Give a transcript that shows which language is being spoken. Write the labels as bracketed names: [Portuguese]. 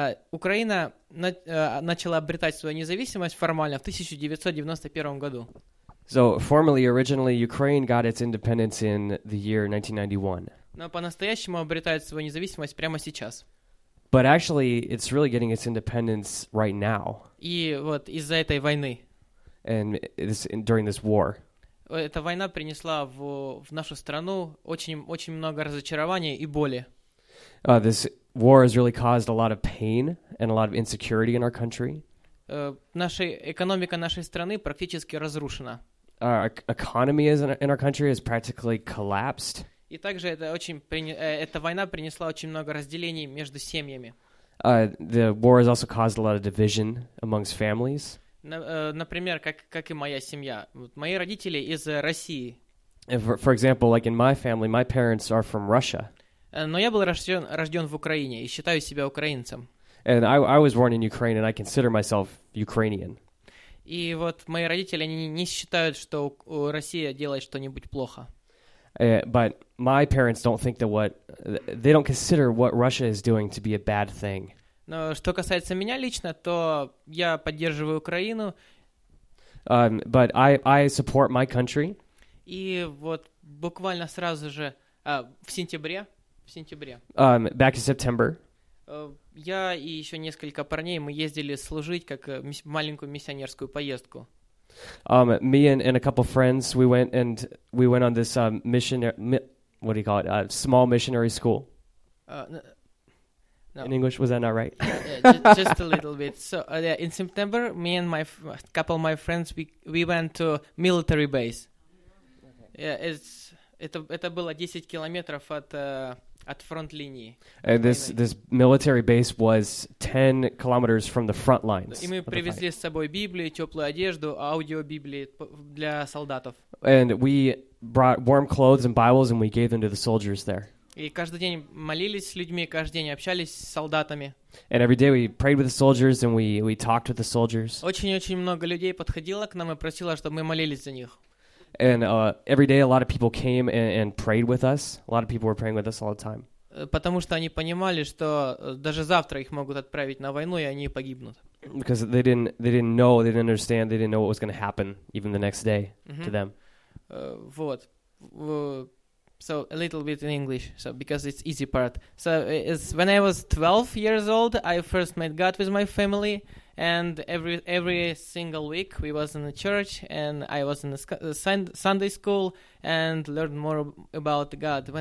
[Russian] Украина начала обретать свою независимость формально в 1991 году. [English] So formally, originally, Ukraine got its independence in the year 1991. [Russian] Но по-настоящему обретает свою независимость прямо сейчас. [English] But actually, it's really getting its independence right now. [Russian] И вот из-за этой войны. [English] And this, during this war. [Russian] Эта война принесла в нашу страну очень много разочарований и боли. [English] This war has really caused a lot of pain and a lot of insecurity in our country. [Russian] Наша экономика нашей страны практически разрушена. [English] Our economy in our country has practically collapsed. [Russian] И также эта война принесла очень много разделений между семьями. [English] The war has also caused a lot of division amongst families. [Russian] Например, как и моя семья. Вот мои родители из России. [English] For example, like in my family, my parents are from Russia. [Russian] Но я был рожден в Украине и считаю себя украинцем. [English] And I was born in Ukraine and I consider myself Ukrainian. [Russian] И вот мои родители, они не считают, что Россия делает что-нибудь плохо. [English] But my parents don't think that what they don't consider what Russia is doing to be a bad thing. [Russian] Но что касается меня лично, то я поддерживаю Украину. [English] But I support my country. [Russian] И вот буквально сразу же в сентябре. [English] Back in September. [Russian] Я и еще несколько парней мы ездили служить как маленькую миссионерскую поездку. [English] Me and a couple friends, we went on this small missionary school. No. In English, was that not right? just a little bit. So in September, me and my couple of my friends, we went to military base. Yeah, [Russian] это было 10 километров от фронт линии. [English] And this military base was 10 kilometers from the front lines. [Russian] И мы привезли с собой Библию, теплую одежду, аудиобиблии для солдатов. [English] And we brought warm clothes and Bibles and we gave them to the soldiers there. [Russian] И каждый день молились с людьми, каждый день общались с солдатами. [English] And every day we prayed with the soldiers and we talked with the soldiers. [Russian] Очень-очень много людей подходило к нам и просило, чтобы мы молились за них. [English] And every day a lot of people came and prayed with us. A lot of people were praying with us all the time. [Russian] Потому что они понимали, что даже завтра их могут отправить на войну, и они погибнут. [English] Because they didn't know, they didn't understand, they didn't know what was going to happen even the next day to them. [Russian] Вот. [English] So a little bit in English, so because it's easy part. So it's when I was 12 years old, I first met God with my family, and every single week we was in the church, and I was in the Sunday school and learned more about God.